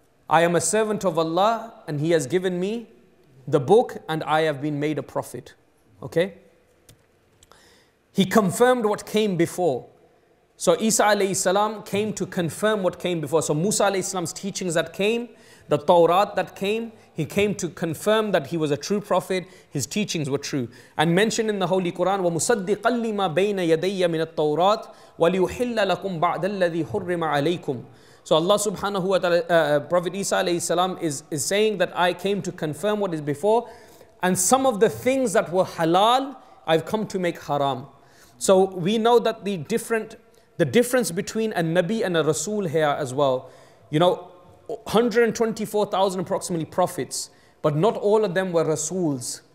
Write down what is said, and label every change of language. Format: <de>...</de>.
<en>I am a servant of Allah and he has given me the book and I have been made a prophet. Okay? He confirmed what came before. So Isa alayhi salam came to confirm what came before. So Musa alayhi salam's teachings that came, the Torah that came, he came to confirm that he was a true prophet, his teachings were true. And mentioned in the Holy Quran,</en> <ar>وَمُصَدِّقَ لِمَا بَيْنَ يَدَيَّ مِنَ التَّوْرَاتِ وَلِيُحِلَّ لَكُمْ بَعْدَ الَّذِي حُرِّمَ عَلَيْكُمْ.</ar> <en>So Allah subhanahu wa ta'ala, Prophet Isa alayhi salam is saying that I came to confirm what is before, and some of the things that were halal, I've come to make haram. So we know that the difference between a Nabi and a Rasul here as well, you know, 124,000 approximately prophets, but not all of them were Rasuls.</en>